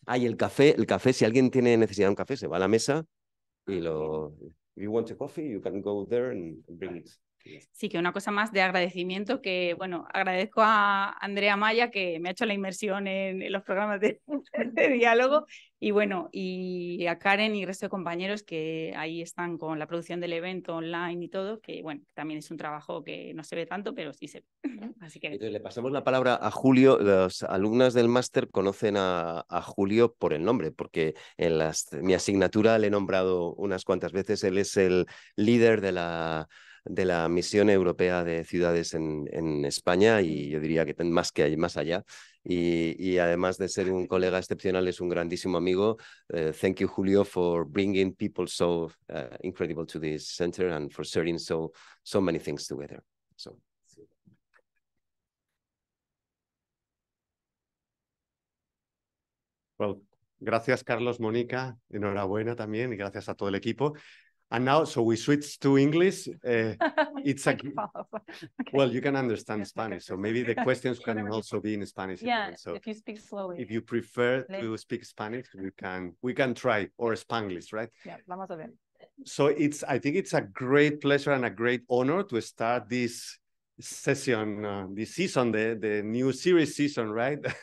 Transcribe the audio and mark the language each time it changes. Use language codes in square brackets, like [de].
[es] Ah, y el café, si alguien tiene necesidad de un café, se va a la mesa y lo... [en] If you want a coffee, you can go there and bring it. [es] Sí, que una cosa más de agradecimiento, que bueno, agradezco a Andrea Maya que me ha hecho la inmersión en los programas de diálogo, y bueno, y a Karen y el resto de compañeros que ahí están con la producción del evento online y todo, que bueno, también es un trabajo que no se ve tanto, pero sí se ve. Así que... Entonces, le pasamos la palabra a Julio. Las alumnas del máster conocen a Julio por el nombre, porque en mi asignatura le he nombrado unas cuantas veces. Él es el líder de la misión europea de ciudades en España, y yo diría que más que hay más allá, y además de ser un colega excepcional es un grandísimo amigo. [en] Thank you, Julio, for bringing people so incredible to this center and for sharing so many things together. So [es] well, gracias Carlos, Mónica, enhorabuena también, y gracias a todo el equipo. [en] And now, so we switch to English. It's a okay. Well, you can understand Spanish, so maybe the questions can also be in Spanish. Yeah, again. So if you speak slowly, if you prefer to speak Spanish, we can try, or Spanglish, right? [es] Yeah, vamos a ver. [en] So I think it's a great pleasure and a great honor to start this session, this season, the new series season, right?